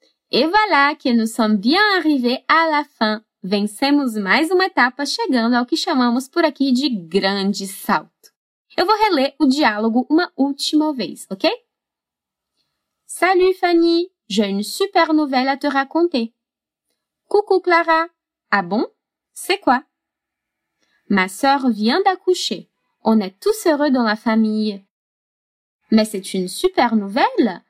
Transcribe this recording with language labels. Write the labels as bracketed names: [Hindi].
[French] Et voilà que nous sommes bien arrivés à la fin. [Portuguese] Vencemos mais uma etapa chegando ao que chamamos por aqui de grande salto. Eu vou reler o diálogo uma última vez, ok? [French] Salut Fanny, j'ai une super nouvelle à te raconter. Coucou Clara, ah bon? C'est quoi? Ma sœur vient d'accoucher. On est tous heureux dans la famille. Mais c'est une super nouvelle.